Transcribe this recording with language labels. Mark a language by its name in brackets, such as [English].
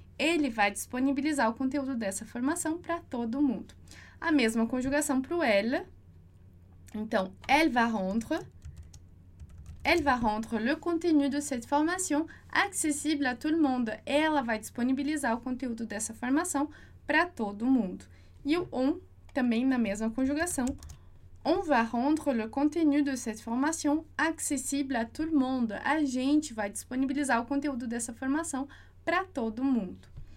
[Portuguese] Ele vai disponibilizar o conteúdo dessa formação para todo mundo. A mesma conjugação para o elle. [French] Então, elle va rendre le contenu de cette formation accessible à tout le monde. [Portuguese] Ela vai disponibilizar o conteúdo dessa formação para todo mundo. E o on, também na mesma conjugação. [French] On va rendre le contenu de cette formation accessible à tout le monde. [Portuguese] A gente vai disponibilizar o conteúdo dessa formação para todo mundo.